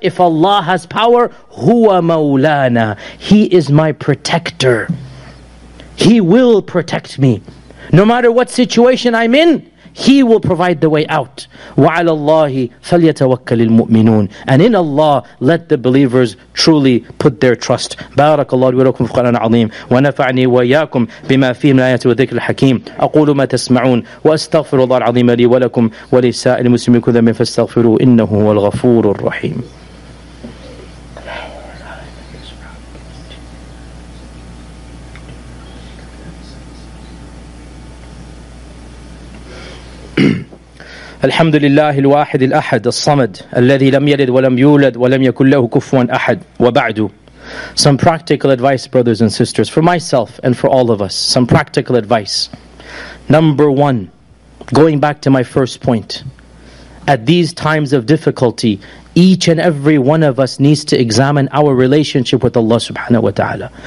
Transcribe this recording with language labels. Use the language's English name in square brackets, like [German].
[English] If Allah has power, [Arabic] huwa maulana. [English] He is my protector. He will protect me. No matter what situation I'm in, He will provide the way out. [Arabic] وَعَلَى اللَّهِ فَلْيَتَوَكَّلِ الْمُؤْمِنُونَ. [English] And in Allah, let the believers truly put their trust. [Arabic] بارك الله لي ولكم في القرآن العظيم ونفعني وإياكم بما فيه من آيات وذكر الحكيم. أقول ما تسمعون وأستغفر الله العظيم لي ولكم ولسائر المسلمين كل ذنب فاستغفروه إنه هو الغفور الرحيم. الحمد لله الواحد الأحد الصمد الذي لم يلد ولم يولد ولم يكن له كفوا أحد وبعد. [English] Some practical advice, brothers and sisters, for myself and for all of us. Some practical advice. Number one, going back to my first point, at these times of difficulty, each and every one of us needs to examine our relationship with Allah subhanahu wa ta'ala.